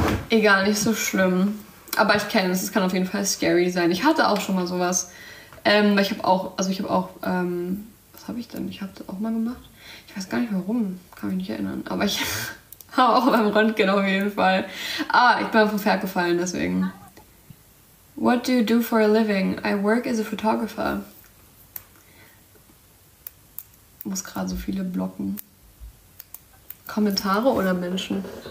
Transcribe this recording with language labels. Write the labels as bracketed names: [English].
[German] Egal, nicht so schlimm. Aber ich kenne es, es kann auf jeden Fall scary sein. Ich hatte auch schon mal sowas. Ich habe auch, also ich habe auch, was habe ich denn? Ich habe das auch mal gemacht. Ich weiß gar nicht warum, kann mich nicht erinnern. Aber ich. Auch beim Röntgen auf jeden Fall. Ah, ich bin vom Pferd gefallen, deswegen. [English] What do you do for a living? I work as a photographer. [German] Ich muss gerade so viele blocken. Kommentare oder Menschen?